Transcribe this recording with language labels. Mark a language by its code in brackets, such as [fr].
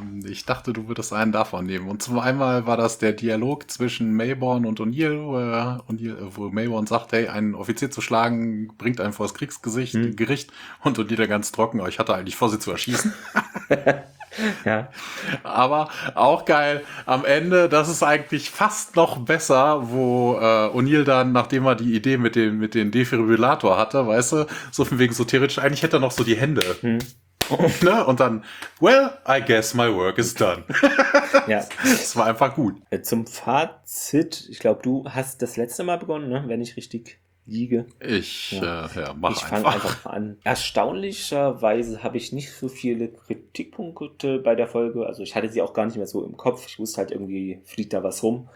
[de] Ich dachte, du würdest einen davon nehmen. Und zum einen war das der Dialog zwischen Melbourne und O'Neill, wo Melbourne sagt, hey, einen Offizier zu schlagen, bringt einen vor das Kriegsgesicht, Gericht, und O'Neill da ganz trocken, aber ich hatte eigentlich vor, sie zu erschießen. Ja. Aber auch geil, am Ende, das ist eigentlich fast noch besser, wo O'Neill dann, nachdem er die Idee mit dem Defibrillator hatte, weißt du, so von wegen so theoretisch, eigentlich hätte er noch so die Hände. Ne? Und dann, [en] well, I guess my work is done. [de] Ja. Das war einfach gut. Zum Fazit, ich glaube, du hast das letzte Mal begonnen, ne? Wenn ich richtig liege. Ich fange einfach an. Erstaunlicherweise habe ich nicht so viele Kritikpunkte bei der Folge. Also ich hatte sie auch gar nicht mehr so im Kopf. Ich wusste halt, irgendwie fliegt da was rum.